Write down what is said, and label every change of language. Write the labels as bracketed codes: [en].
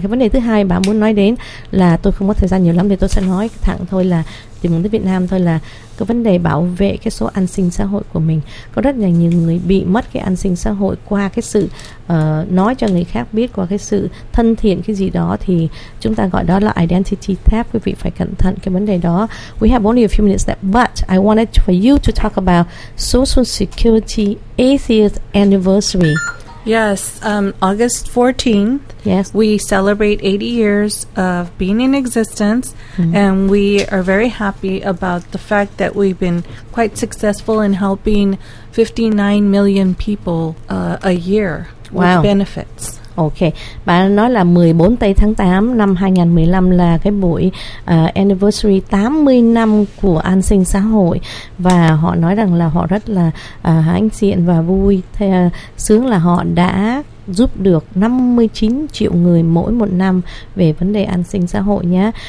[vi] Cái vấn đề thứ hai bà muốn nói đến là, tôi không có thời gian nhiều lắm thì tôi sẽ nói thẳng thôi, là tìm đến Việt Nam thôi, là cái vấn đề bảo vệ cái số an sinh xã hội của mình. Có rất là nhiều người bị mất cái an sinh xã hội qua cái sự nói cho người khác biết, qua cái sự thân thiện cái gì đó, thì chúng ta gọi đó là identity theft. Quý vị phải cẩn thận cái vấn đề đó. [en] We have only a few minutes left, but I wanted for you to talk about Social Security 80th anniversary. Yes, August 14th, yes, we celebrate 80 years of being in existence, and we are very happy about the fact that we've been quite successful in helping 59 million people a year with benefits. [vi] Ok, bà nói là 14 tây tháng 8 năm 2015 là cái buổi anniversary 80 năm của an sinh xã hội. Và họ nói rằng là họ rất là hãnh diện và vui, sướng là họ đã giúp được 59 triệu người mỗi một năm về vấn đề an sinh xã hội nhé.